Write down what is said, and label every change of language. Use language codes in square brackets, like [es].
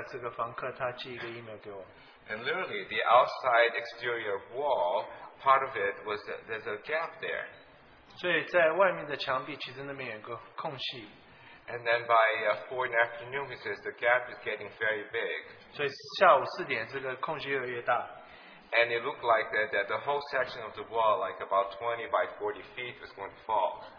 [zh] 所以星期五早上有另外一个这个房客他寄一个email给我。 [en] And literally, the outside exterior wall, part of it was there's a gap there. [zh] 所以在外面的墙壁其实那边有个空隙。 [en] And then by 4 in the afternoon, he says the gap is getting very big. [zh] 所以下午4点这个空隙越来越大。 [en] And it looked like that the whole section of the wall, like about 20 by 40 feet, was going to fall.